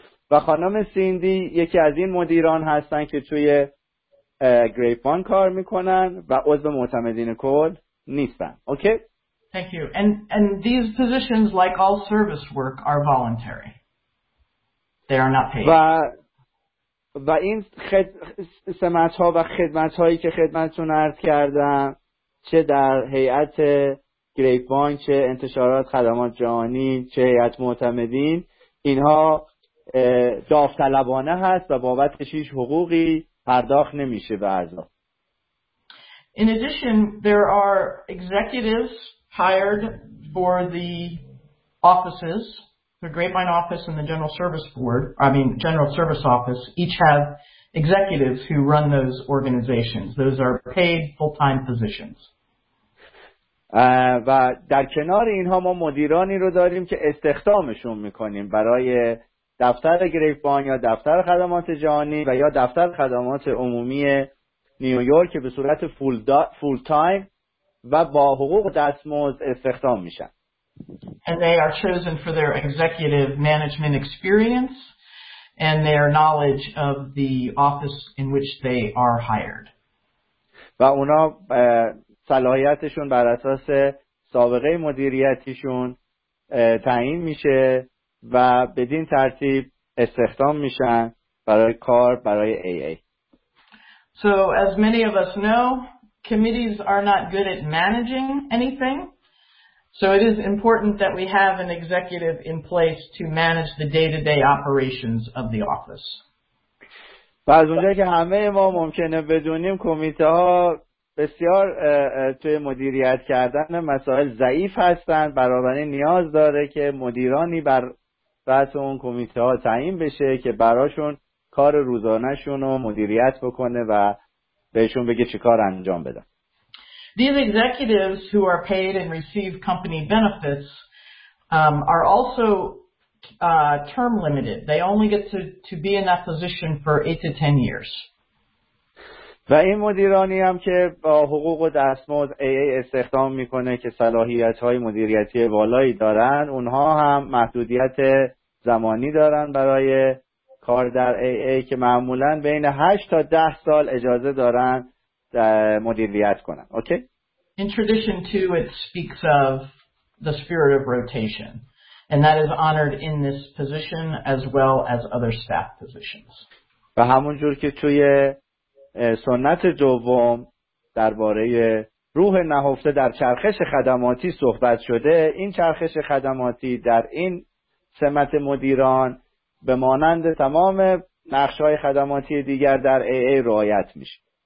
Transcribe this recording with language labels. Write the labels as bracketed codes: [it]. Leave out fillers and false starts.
[fa] و خانم سیندی یکی از این مدیران هستن که توی گریپوان کار میکنن و عضو معتمدین کل نیستن. اوکی؟ [en] Thank you. And these positions, like all service work, are voluntary. They are not paid. [fa] و این سمت ها و خدمت هایی که خدمتتون عرض کردم، چه در هیئت گریپوان، چه انتشارات خدمات جهانی، چه هیئت معتمدین، اینها داوطلبانه هست و بابتش هیچ حقوقی پرداخت نمیشه به اعضا. [en] In addition, there are executives hired for the offices, the Grapevine office and the General Service Board, I mean General Service Office, each have executives who run those organizations. Those are paid full-time positions. [fa] و در کنار اینها ما مدیرانی رو داریم که استخدامشون میکنیم برای دفتر گریپوان یا دفتر خدمات جهانی و یا دفتر خدمات عمومی نیویورک به صورت فول تایم و با حقوق دستمزد استخدام میشن. [en] And they are chosen for their executive management experience and their knowledge of the office in which they are hired. [fa] و اونا صلاحیتشون بر اساس سابقه مدیریتیشون تعیین میشه و بدین ترتیب استخدام میشن برای کار برای AA. [en] So as many of us know, committees are not good at managing anything. So it is important that we have an executive in place to manage the day-to-day operations of the office. [fa] و از اونجایی که همه ما ممکنه بدونیم کمیته ها بسیار توی مدیریت کردن مسائل ضعیف هستند، برابری نیاز داره که مدیرانی بر رأس اون کمیته ها تعیین بشه که براشون کار روزانه شون رو مدیریت بکنه و بهشون بگه چه کار انجام بدن. [en] These executives who are paid and receive company benefits are also term limited. They only get to be in that position for 8 to 10 years. [fa] و این مدیرانی هم که با حقوق و دستمزد AA استخدام میکنه که صلاحیت های مدیریتی والایی دارن، اونها هم محدودیت زمانی دارن برای کار در AA که معمولا بین 8 تا 10 سال اجازه دارن مدیریت کنن. اوکی؟ [en] In tradition too, it speaks of the spirit of rotation. And that is honored in this position as well as other staff positions. [fa] و همون جور که توی سنت دوم درباره روح نهفته در چرخش خدماتی صحبت شده، این چرخش خدماتی در این سمت مدیران به مانند تمام نقش‌های خدماتی دیگر در AA رعایت میشه.